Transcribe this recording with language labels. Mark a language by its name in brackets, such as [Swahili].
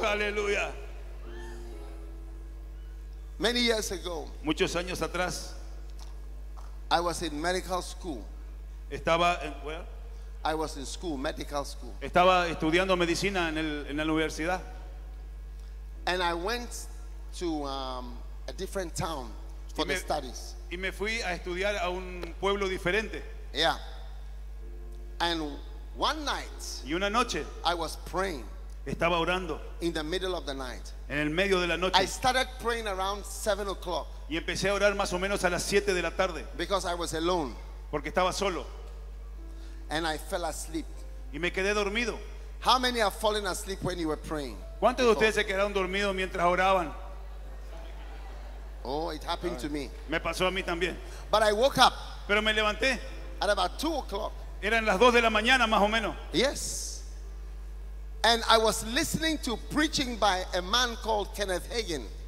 [English] Hallelujah. Many years ago, [Spanish] muchos años atrás, [English] I was in medical school. [Spanish] Estaba en, [English] where? I was in school, medical school. [Spanish] Estaba estudiando medicina en el en la universidad. [English] And I went to a different town for the studies. [Spanish] Y me fui a estudiar a un pueblo diferente. [English] Yeah. And one night, [Spanish] y una noche, [English] I was praying. [Spanish] Estaba orando. [English] In the middle of the night. [Spanish] En el medio de la noche. [English] I started praying around 7 o'clock. [Spanish] Y empecé a orar más o menos a las 7 de la tarde. [English] Because I was alone. [Spanish] Porque estaba solo. [English] And I fell asleep. [Spanish] Y me quedé dormido. [English] How many have fallen asleep when you were praying? [Spanish] ¿Cuántos de ustedes se quedaron dormidos mientras oraban? [English] Oh, it happened to me. [Spanish] Me pasó a mí también. [English] But I woke up. [Spanish] Pero me levanté. [English] At about 2 o'clock. [Spanish] Eran las 2 de la mañana más o menos. [English] Yes. And I was listening to preaching by a man called Kenneth Hagin.